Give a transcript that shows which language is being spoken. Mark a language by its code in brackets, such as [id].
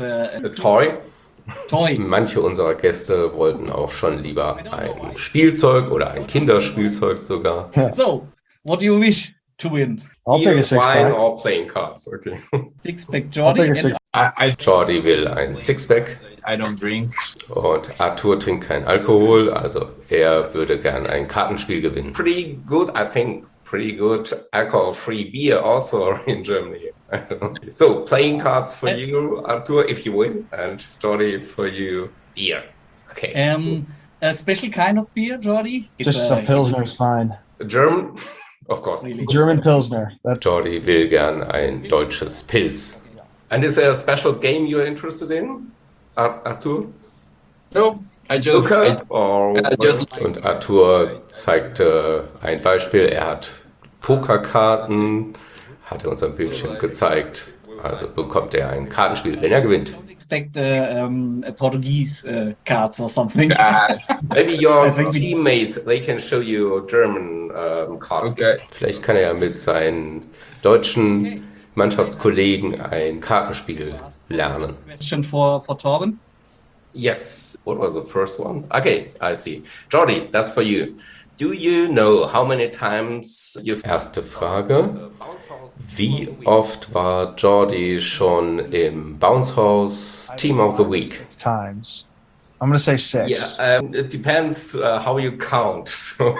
[en] a toy. Toy. [de] Manche unserer Gäste wollten auch schon lieber ein Spielzeug oder ein Kinderspielzeug sogar. [en] So, what do you wish to win? I'll take a six-pack. Wine or playing cards, okay. Sixpack, Jordi. [de] Jordi will ein Sixpack. [en] I don't drink. [de] Und Arthur trinkt keinen Alkohol, also er würde gern ein Kartenspiel gewinnen. [en] Pretty good, I think. Pretty good alcohol-free beer also in Germany. So, playing cards for you, Arthur, if you win, and Jordi for you, beer. Okay. A special kind of beer, Jordi? Just a Pilsner is fine. German? Of course. Really? German Pilsner. [de] Jordi will gern ein deutsches Pils. [en] And is there a special game you're interested in, Arthur? No. [de] Und Arthur zeigte ein Beispiel. Er hat Pokerkarten, hat er unserem Bildschirm gezeigt. Also bekommt er ein Kartenspiel, wenn er gewinnt. [en] Expect Portuguese cards or something. Maybe your teammates, they can show you German cards. Okay. [de] Vielleicht kann er ja mit seinen deutschen Mannschaftskollegen ein Kartenspiel lernen. [en] Question for Torben. Yes. What was the first one? Okay, I see. Jordi, that's for you. Do you know how many times you've... [de] Erste Frage. Wie oft war Jordi schon im Bounce House Team of the Week? [en] Times. I'm going to say six. Yeah, it depends how you count.